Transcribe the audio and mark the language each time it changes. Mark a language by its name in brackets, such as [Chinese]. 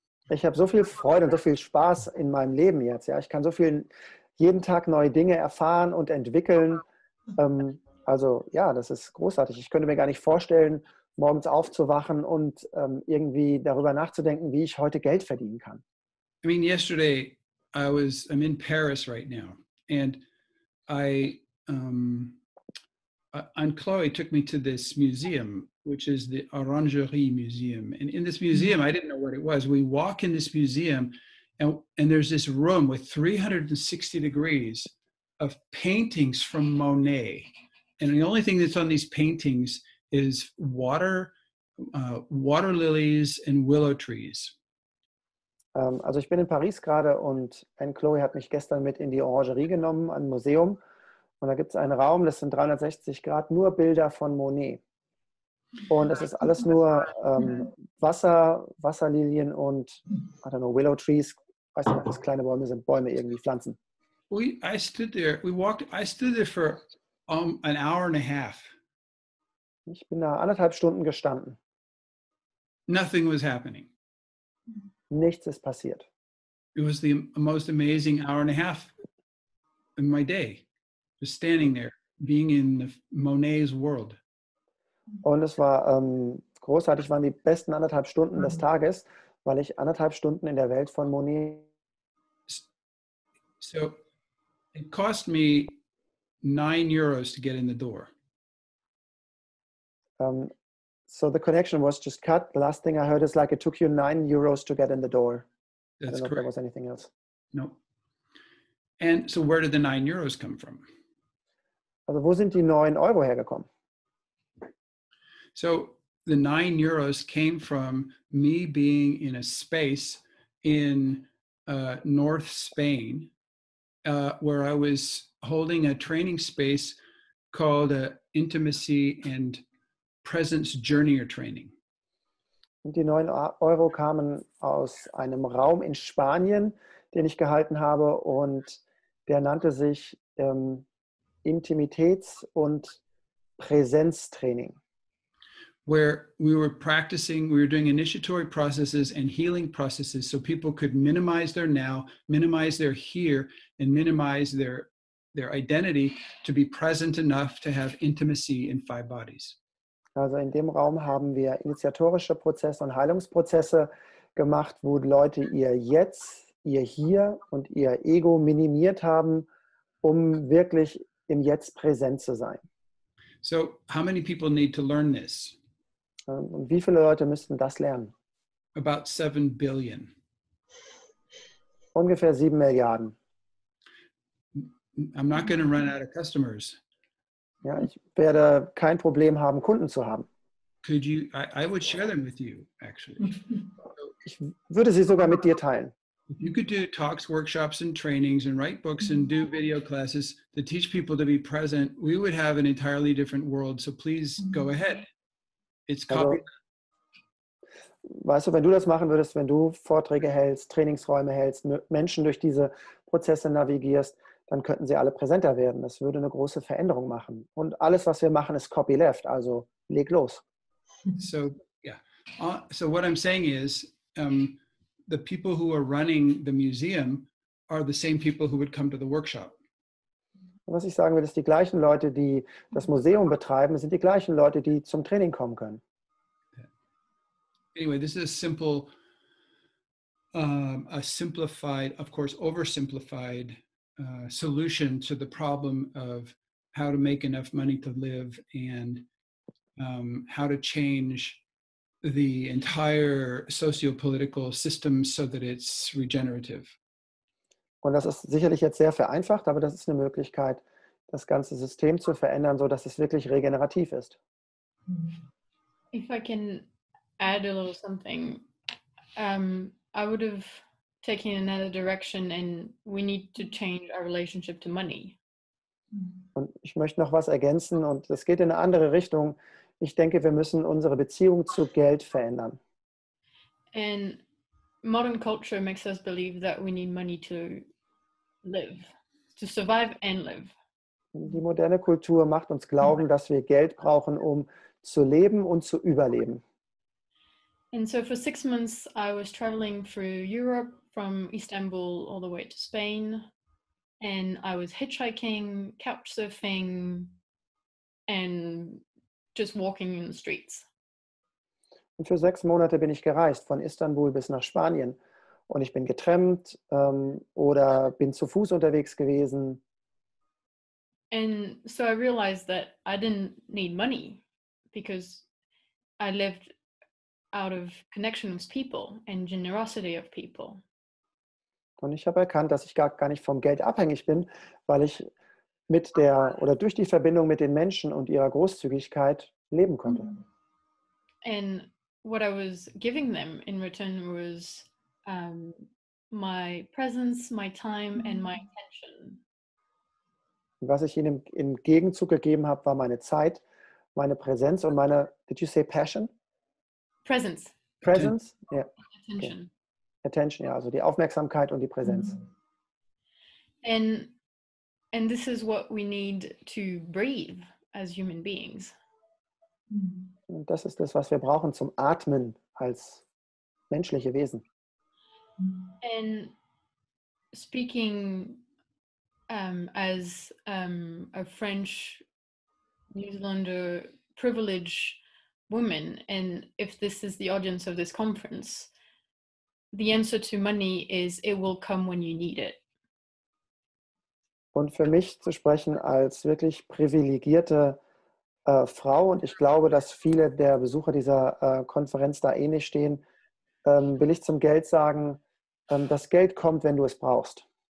[German] Ich habe so viel Freude und so viel Spaß in meinem Leben jetzt. Ja, ich kann so viel jeden Tag neue Dinge erfahren und entwickeln. Also ja, das ist großartig. Ich könnte mir gar nicht vorstellen, morgens aufzuwachen und irgendwie darüber nachzudenken, wie ich heute Geld verdienen kann. [English] I mean, yesterday I'm in Paris right now, and Aunt Chloe took me to this museum, which is the Orangerie Museum. And in this museum, I didn't know what it was. We walk in this museum, and there's this room with 360 degrees of paintings from Monet. And the only thing that's on these paintings is water, water lilies and willow trees. [German] Also ich bin in Paris gerade und Aunt Chloe hat mich gestern mit in die Orangerie genommen, ein Museum. Und da gibt es einen Raum, das sind 360 Grad, nur Bilder von Monet. Und es ist alles nur Wasserlilien und, [English] I don't know, Willow Trees. [German] Weißt du, was das kleine Bäume sind, Bäume irgendwie, Pflanzen. [English] I stood there for an hour and a half. [German] Ich bin da anderthalb Stunden gestanden. [English] Nothing was happening. [German] Nichts ist passiert. [English] It was the most amazing hour and a half in my day. Just standing there, being in Monet's world. [German] Und es war großartig, waren die besten anderthalb Stunden des Tages, weil ich anderthalb Stunden in der Welt von Monet. [English] So it cost me 9 euros to get in the door. So the connection was just cut. The last thing I heard is like it took you 9 euros to get in the door. That's correct. I don't know if there was anything else. No. And so where did the 9 euros come from? [German] Also wo sind die 9 Euro hergekommen? [English] So the 9 euros came from me being in a space in North Spain where I was holding a training space called Intimacy and Presence Journey or Training. [German] Und die 9 Euro kamen aus einem Raum in Spanien, den ich gehalten habe und der nannte sich Intimitäts- und Präsenztraining. [English] Where we were practicing, we were doing initiatory processes and healing processes so people could minimize their now, minimize their here and minimize their identity to be present enough to have intimacy in 5 bodies. [German] Also in dem Raum haben wir initiatorische Prozesse und Heilungsprozesse gemacht, wo Leute ihr Jetzt, ihr Hier und ihr Ego minimiert haben, um wirklich im Jetzt präsent zu sein. [English] So, how many people need to learn this? [German] Und wie viele Leute müssten das lernen? [English] About 7 billion. [German] Ungefähr 7 Milliarden. [English] I'm not going to run out of customers. [German] Ja, ich werde kein Problem haben, Kunden zu haben. [English] Could you, I would share them with you, actually. [German] Ich würde sie sogar mit dir teilen. [English] If you could do talks, workshops and trainings and write books and do video classes to teach people to be present, we would have an entirely different world. So please go ahead. It's copy. [German] Also, weißt du, wenn du das machen würdest, wenn du Vorträge hältst, Trainingsräume hältst, Menschen durch diese Prozesse navigierst, dann könnten sie alle präsenter werden. Das würde eine große Veränderung machen. Und alles, was wir machen, ist copyleft. Also leg los. [English] So, yeah. So what I'm saying is, the people who are running the museum are the same people who would come to the workshop. [German] Was ich sagen will, ist, die gleichen Leute, die das Museum betreiben, sind die gleichen Leute, die zum Training kommen können. [English] Anyway, this is a simple, a simplified, of course, oversimplified solution to the problem of how to make enough money to live and how to change the entire socio-political system so that it's regenerative. [German] Und das ist sicherlich jetzt sehr vereinfacht, aber das ist eine Möglichkeit, das ganze System zu verändern, so dass es wirklich regenerativ ist. [English] If I can add a little something, I would have taken another direction and we need to change our relationship to money. [German] Und ich möchte noch was ergänzen und es geht in eine andere Richtung. Ich denke, wir müssen unsere Beziehung zu Geld verändern. [English] And modern culture makes us believe that we need money to live, to survive and live. [German] Die moderne Kultur macht uns glauben, dass wir Geld brauchen, um zu leben und zu überleben. [English] And so for 6 months I was traveling through Europe from Istanbul all the way to Spain. And I was hitchhiking, couchsurfing and just walking in the streets. [German] Und für 6 Monate bin ich gereist, von Istanbul bis nach Spanien. Und ich bin getrampt oder bin zu Fuß unterwegs gewesen. [English] And so I realized that I didn't need money because I lived out of connection with people and generosity of people. [German] Und ich habe erkannt, dass ich gar nicht vom Geld abhängig bin, weil ich mit der oder durch die Verbindung mit den Menschen und ihrer Großzügigkeit leben konnte. [English] And what I was giving them in return was my presence, my time and my attention. [German] Was ich ihnen im Gegenzug gegeben habe, war meine Zeit, meine Präsenz und meine, [English] did you say passion? Presence. Presence? [German] Ja. [English] Yeah. Attention. Okay. [German] Attention, ja, also die Aufmerksamkeit und die Präsenz. [English] And this is what we need to breathe as human beings. [German] Und das ist das, was wir brauchen zum Atmen als menschliche Wesen. [English] And speaking as a French New Zealander privileged woman, and if this is the audience of this conference, the answer to money is it will come when you need it. [German] Und für mich zu sprechen als wirklich privilegierte Frau, und ich glaube, dass viele der Besucher dieser Konferenz da ähnlich stehen, will ich zum Geld sagen, das Geld kommt, wenn du es brauchst.